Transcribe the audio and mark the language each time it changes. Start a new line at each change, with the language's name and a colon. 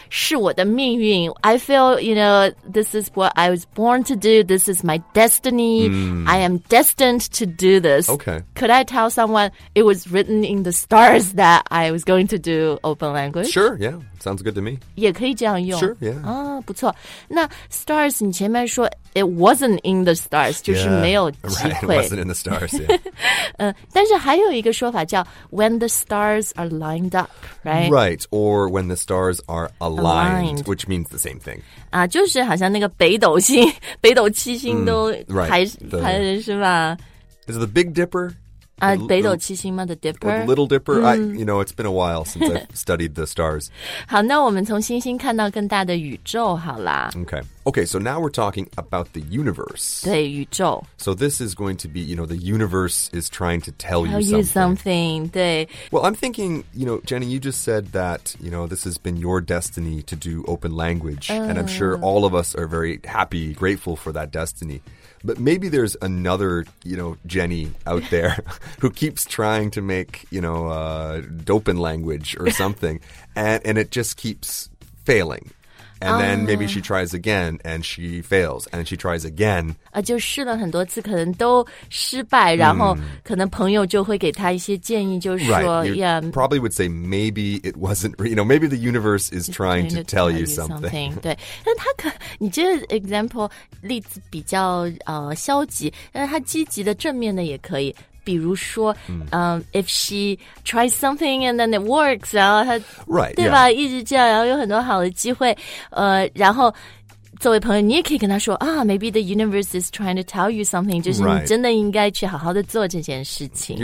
Chinese: 是我的命运。
English: I feel, you know, this is what I was born to do. This is my destiny.、 Mm. I am destined to do this. Okay. Could I tell someone it was written in the stars that I was going to do open language? Sure, yeah. Sounds good to me.
Chinese: 也可以这样用。
English: Sure, yeah.
Chinese: 啊，不错。那 stars, 你前面说
English: it wasn't in the stars,
Chinese: 就是没有机会。
English: Yeah, right, it wasn't in the stars, yeah.
Chinese: 但是还有一个说法叫
English: when the stars are lined up. Right? Right, or when the stars are aligned, which means the same thing.
Chinese: 啊、就是好像那个北斗星北斗七星都排、
English: right.
Chinese: 排是吧
English: Is it the Big Dipper?
Chinese: 北斗七星吗
English: The Dipper Little Dipper、mm. You know it's been a while since I've studied the stars
Chinese: 好那我们从星星看到更大的宇宙好啦
English: OkayOkay, so now we're talking about the universe.
Chinese: 对宇宙
English: So this is going to be, you know, the universe is trying to tell you something.
Chinese: 对
English: Well, I'm thinking, you know, Jenny, you just said that, you know, this has been your destiny to do open language. And I'm sure all of us are very happy, grateful for that destiny. But maybe there's another, you know, Jenny out there who keeps trying to make, you know, open language or something. and it just keeps failing. And then maybe she tries again, and she fails, and she tries again.
Chinese: 就试了很多次，可能都失败，然后可能朋友就会给她一些建议，就是说
English: Yeah. Probably would say maybe it wasn't, you know, maybe the universe is trying to tell you something.
Chinese: 对，但她可，你这个 example 例子比较消极，但是她积极的正面的也可以。比如说、
English: if she tries something and then it works,
Chinese: 然后她
English: right,
Chinese: 对吧、
English: yeah.
Chinese: 一直这样然后有很多好的机会、然后作为朋友你也可以跟她说、
English: ah, maybe the universe is trying to tell you something,
Chinese: 就是你真的应该去好好的做这件事情。